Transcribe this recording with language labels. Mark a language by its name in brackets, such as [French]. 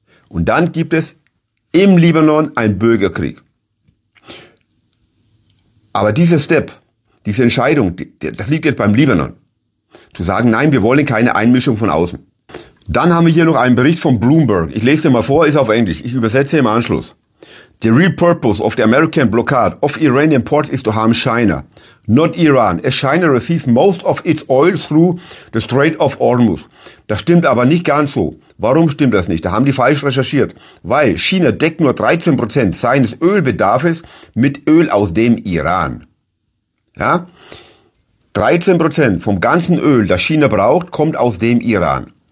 [German] Und dann gibt es im Libanon einen Bürgerkrieg. Aber dieser Step, diese Entscheidung, das liegt jetzt beim Libanon. Zu sagen, nein, wir wollen keine Einmischung von außen. Dann haben wir hier noch einen Bericht von Bloomberg. Ich lese den mal vor, ist auf Englisch. Ich übersetze im Anschluss. [English] The real purpose of the American blockade of Iranian ports is to harm China, not Iran, as China receives most of its oil through the Strait of Hormuz. [German] Das stimmt aber nicht ganz so. Warum stimmt das nicht? Da haben die falsch recherchiert. Weil China deckt nur 13% seines Ölbedarfs mit Öl aus dem Iran. Ja? 13% vom ganzen Öl, das China braucht, kommt aus dem Iran.